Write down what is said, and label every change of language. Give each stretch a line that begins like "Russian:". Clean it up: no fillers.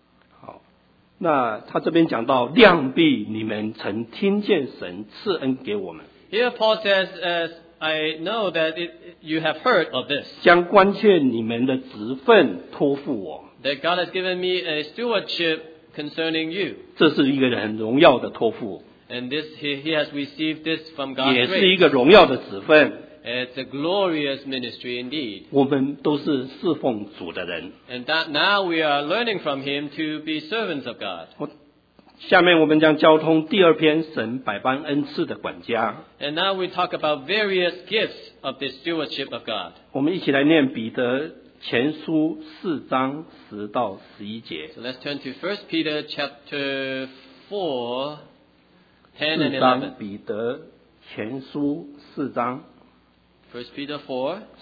Chinese: 好，那他这边讲到量必你们曾听见神赐恩给我们。
English: Here Paul says asI know that you have heard of this.
Chinese: 将关切你们的职分托付我。
English: That God has given me a stewardship concerning you.
Chinese: 这是一个很荣耀的托付。
English: And this, he has received this from God's grace.
Chinese: 也是一个荣耀的职分。
English: It's a glorious ministry indeed.
Chinese: 我们都是侍奉主的人。
English: And that now we are learning from him to be servants of God.
Chinese: 下面我们将交通第二篇神百般恩赐的管家。
English: And now we talk about various gifts of the stewardship of God.
Chinese: 我们一起来念彼得前书4:10-11。
English: So let's turn to 1 Peter chapter 4:10-11.
Chinese: 四章彼得前书四章。
English: 1 Peter 4.